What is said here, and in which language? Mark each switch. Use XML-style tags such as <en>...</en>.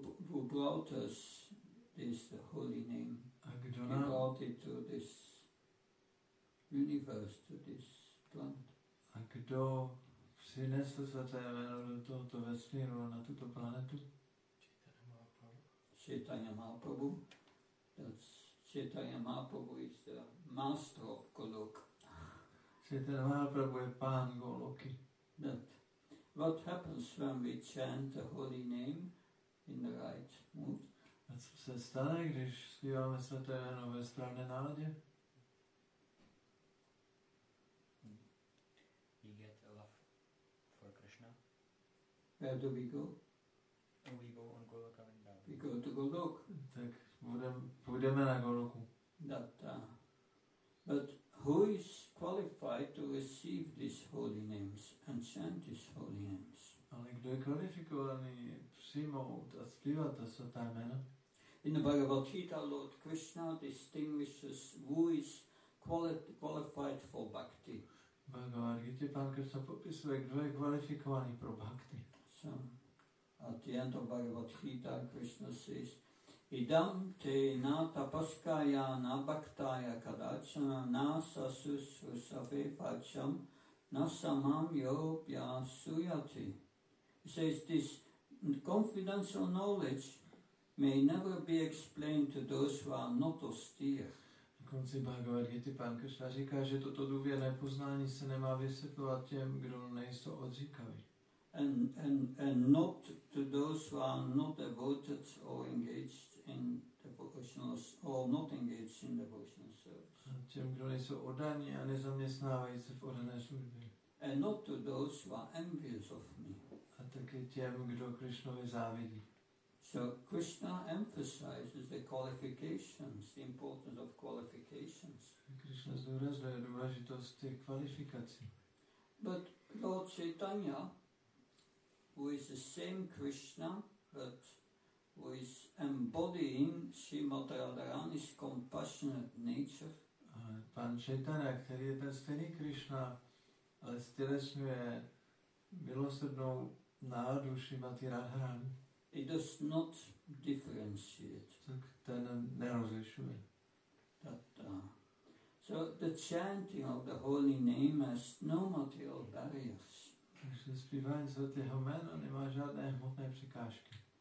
<en>Who brought us this holy name? Brought it to this universe, to this planet.</en> <cs>A kdo přinesl svaté jméno do tohoto vesmíru, na tuto planetu?</cs> <en>Chaitanya Mahaprabhu. Chaitanya Mahaprabhu is the master of Goloka.</en> <cs>Chaitanya Mahaprabhu je pán Goloki.</cs> <en>That. What happens when we chant the holy name in the right mood?</en> <cs>A co se stane, když zpíváme svaté jméno ve správné náladě?</cs> <en>We get a love for Krishna. Where do we go? We go on Goloka.</en> <cs>Golok. Tak půjdeme na Goloku.</cs> <en>But who is qualified to receive these holy names and chant these holy names?</en> <cs>Ale kdo je kvalifikovaný přijmout a zpívat ta svatá jména?</cs> <en>In the Bhagavad Gita, Lord Krishna distinguishes who is qualified for bhakti.</en> <cs>Bhagavad Gita, pán Krishna popisuje, kdo je kvalifikovaný pro bhakti.</cs> <en>So, at the end of Bhagavad Gita, Krishna says,</en> <sa>Idam te na tapaskaya na bhaktaya kadachana na sasusru save pacham na samam yopya suyati.</sa> <en>He says, this confidential knowledge may never be explained to those who are not austere.</en> <cs>Na konci Bhagavad Gita pán Krishna říká, že toto důvěrné poznání se nemá vysvětlovat těm, kdo nejsou odříkaví.</cs> <en>And not to those who are not devoted or engaged in devotional or not engaged in devotional service.</en> <cs>A těm, kdo nejsou oddaní a nezaměstnávají se v oddané službě.</cs> <en>And not to those who are envious of me.</en> <cs>A také těm, kdo Krishnovi závidí.</cs> <en>So Krishna emphasizes the qualifications, the importance of qualifications.</en> <cs>Krishna zdůrazňuje důležitost těch kvalifikací.</cs> <en>But Lord Chaitanya, who is the same Krishna, but who is embodying Srimad Radharani's compassionate nature.</en> <cs>Pan Chaitanya, který je ten stejný Krishna, ale stělesňuje milosrdnou náladu Srimati Radharani.</cs> <en>It does not differentiate.</en> <cs>Tak ten nerozlišuje.</cs> <en>So the chanting of the holy name has no material barriers.</en> <cs>Takže zpívání svatého jména nemá žádné hmotné překážky.</cs>